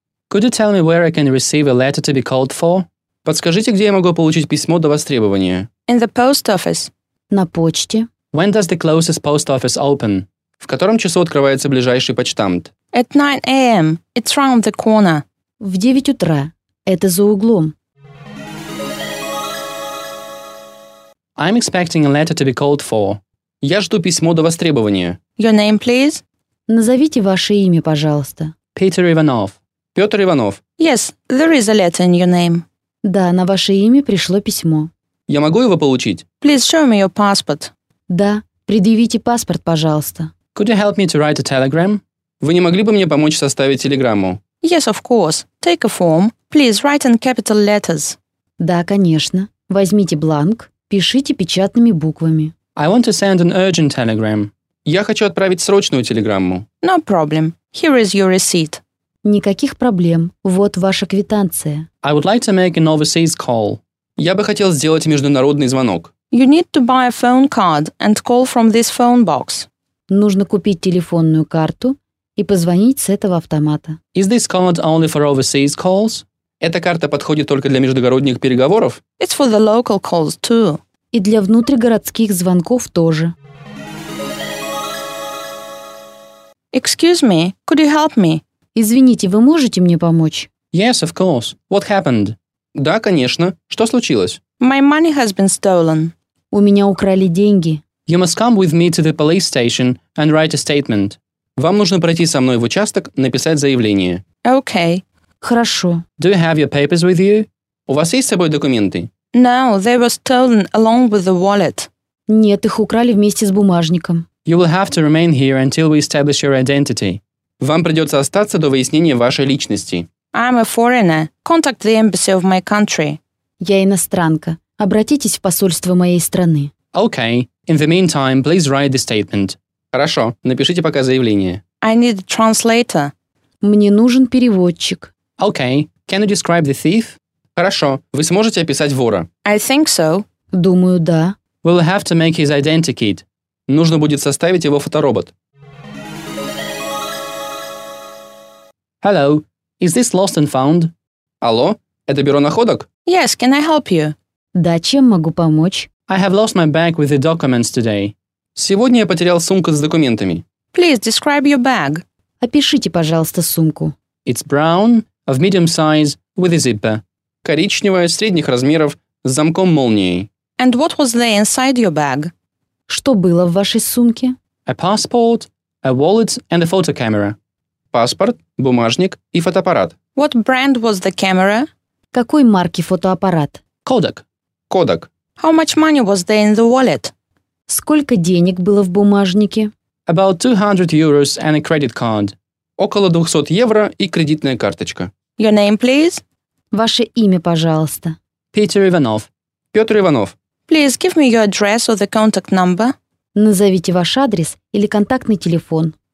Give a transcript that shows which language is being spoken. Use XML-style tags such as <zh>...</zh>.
<en>Could you tell me where I can receive a letter to be called for?</en> <ru>Подскажите, где я могу получить письмо до востребования?</ru> <en>In the post office.</en> <ru>На почте.</ru> <en>When does the closest post office open?</en> <ru>В котором часу открывается ближайший почтамт?</ru> <en>At 9 a.m. It's round the corner.</en> <ru>В 9 утра. Это за углом.</ru> <en>I'm expecting a letter to be called for.</en> <ru>Я жду письмо до востребования.</ru> <en>Your name, please?</en> <ru>Назовите ваше имя, пожалуйста.</ru> <en>Peter Ivanov. Петр Иванов. Yes, there is a letter in your name.</en> <ru>Да, на ваше имя пришло письмо. Я могу его получить?</ru> <en>Please show me your passport.</en> <ru>Да, предъявите паспорт, пожалуйста.</ru> <en>Could you help me to write a telegram?</en> <ru>Вы не могли бы мне помочь составить телеграмму?</ru> <en>Yes, of course. Take a form. Please write in capital letters.</en> <ru>Да, конечно. Возьмите бланк, пишите печатными буквами.</ru> <en>I want to send an urgent telegram.</en> <ru>Я хочу отправить срочную телеграмму.</ru> <en>No problem. Here is your receipt.</en> <ru>Никаких проблем. Вот ваша квитанция.</ru> <en>I would like to make an overseas call.</en> <ru>Я бы хотел сделать международный звонок.</ru> <en>You need to buy a phone card and call from this phone box.</en> <ru>Нужно купить телефонную карту и позвонить с этого автомата.</ru> <en>Is this card only for overseas calls?</en> <ru>Эта карта подходит только для междугородних переговоров?</ru> <en>It's for the local calls too.</en> <ru>И для внутригородских звонков тоже.</ru> <en>Excuse me, could you help me?</en> <ru>Извините, вы можете мне помочь?</ru> <en>Yes, of course. What happened?</en> <ru>Да, конечно. Что случилось?</ru> <en>My money has been stolen.</en> <ru>У меня украли деньги.</ru> <en>You must come with me to the police station and write a statement.</en> <ru>Вам нужно пройти со мной в участок, написать заявление.</ru> <en>Okay.</en> <ru>Хорошо.</ru> <en>Do you have your papers with you?</en> <ru>У вас есть с собой документы?</ru> <en>No, they were stolen along with the wallet.</en> <ru>Нет, их украли вместе с бумажником.</ru> <en>You will have to remain here until we establish your identity.</en> <ru>Вам придется остаться до выяснения вашей личности.</ru> <en>I'm a foreigner. Contact the embassy of my country.</en> <ru>Я иностранка. Обратитесь в посольство моей страны.</ru> <en>Okay. In the meantime, please write the statement.</en> <ru>Хорошо. Напишите пока заявление.</ru> <en>I need a translator.</en> <ru>Мне нужен переводчик.</ru> <en>Okay. Can you describe the thief?</en> <ru>Хорошо. Вы сможете описать вора?</ru> <en>I think so.</en> <ru>Думаю, да.</ru> <en>We'll have to make his identikit.</en> <ru>Нужно будет составить его фоторобот.</ru> <en>Hello, is this Lost and Found?</en> <ru>Алло, это бюро находок?</ru> <en>Yes, can I help you?</en> <ru>Да, чем могу помочь?</ru> <en>I have lost my bag with the documents today.</en> <ru>Сегодня я потерял сумку с документами.</ru> <en>Please describe your bag.</en> <ru>Опишите, пожалуйста, сумку.</ru> <en>It's brown, of medium size, with a zipper.</en> <ru>Коричневая, средних размеров, с замком молнией.</ru> <en>And what was there inside your bag?</en> <ru>Что было в вашей сумке?</ru> <en>A passport, a wallet and a photo camera.</en> <ru>Паспорт, бумажник и фотоаппарат.</ru> <en>What brand was the camera?</en> <ru>Какой марки фотоаппарат?</ru> <en>Kodak.</en> <ru>Kodak.</ru> <en>How much money was there in the wallet?</en> <ru>Сколько денег было в бумажнике?</ru> <en>About 200 euros and a credit card.</en> <ru>Около 200 евро и кредитная карточка.</ru> <en>Your name, please?</en> <ru>Ваше имя, пожалуйста.</ru> <en>Peter Ivanov.</en> <ru>Петр Иванов.</ru> <en>Please give me your address or the contact number.</en> <ru>Назовите ваш адрес или контактный телефон.</ru>